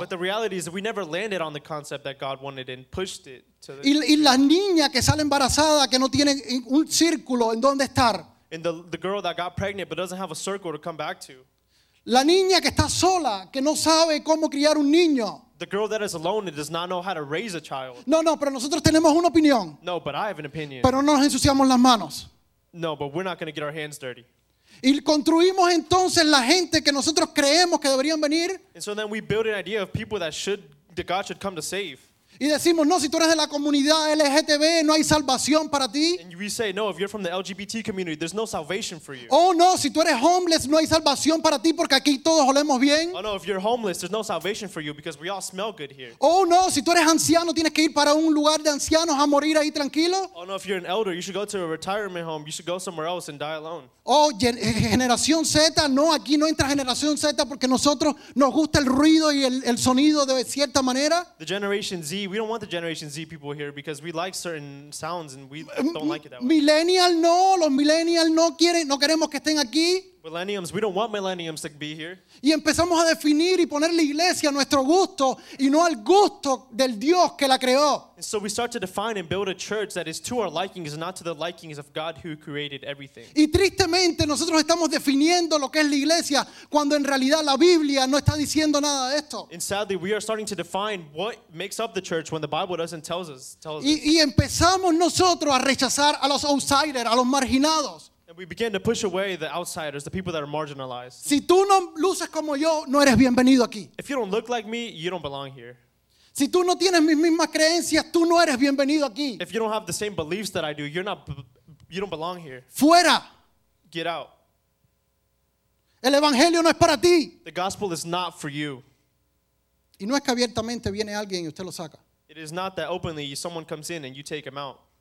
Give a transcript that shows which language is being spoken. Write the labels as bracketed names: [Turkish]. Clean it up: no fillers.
[English] But the reality is that we never landed on the concept that God wanted and pushed it to the. [Spanish] Y la niña que sale embarazada que no tiene un círculo en donde estar. [English] And the girl that got pregnant but doesn't have a circle to come back to. [Spanish] La niña que está sola, que no sabe cómo criar un niño. [English] The girl that is alone and does not know how to raise a child. [Spanish] No, no, pero nosotros tenemos una opinión. [English] No, but I have an opinion. [Spanish] Pero no nos ensuciamos las manos. [English] No, but we're not going to get our hands dirty. [Spanish] Y construimos entonces la gente que nosotros creemos que deberían venir. [English] And so then we build an idea of people that God should come to save. [Spanish] Y decimos, no, si tú eres de la comunidad LGTB, no hay salvación para ti. [English] And we say, no, if you're from the LGBT community, there's no salvation for you. [Spanish] Oh, no, si tú eres homeless, no hay salvación para ti porque aquí todos olemos bien. [English] Oh, no, if you're homeless, there's no salvation for you because we all smell good here. [Spanish] Oh, no, si tú eres anciano, tienes que ir para un lugar de ancianos a morir ahí tranquilo. [English] Oh, no, if you're an elder, you should go to a retirement home. You should go somewhere else and die alone. [Spanish] Oh, generación Z, no, aquí no entra generación Z porque nosotros nos gusta el ruido y el sonido de cierta manera. [English] The generation Z, we don't want the Generation Z people here because we like certain sounds and we don't like it that way. [Spanish] Millennial, no. Los millennials no quieren, no queremos que estén aquí. [English] Millennials, we don't want millennials to be here. [Spanish] Y empezamos a definir y poner la iglesia a nuestro gusto y no al gusto del Dios que la creó. [English] And so we start to define and build a church that is to our likings and not to the likings of God who created everything. [Spanish] Y tristemente nosotros estamos definiendo lo que es la iglesia cuando en realidad la Biblia no está diciendo nada de esto. [English] And sadly we are starting to define what makes up the church when the Bible doesn't tell us. [Spanish] Y empezamos nosotros a rechazar a los outsiders, a los marginados. [English] We begin to push away the outsiders, the people that are marginalized. [Spanish] Si tú no luces como yo, no eres bienvenido aquí. [English] If you don't look like me, you don't belong here. [Spanish] Si tú no tienes mis mismas creencias, tú no eres bienvenido aquí. [English] If you don't have the same beliefs that I do, you don't belong here. [Spanish] Fuera. [English] Get out. [Spanish] El evangelio no es para ti. [English] The gospel is not for you. [Spanish] Y no es que abiertamente viene alguien y usted lo saca. [English] It is not that openly someone comes in and you take him out.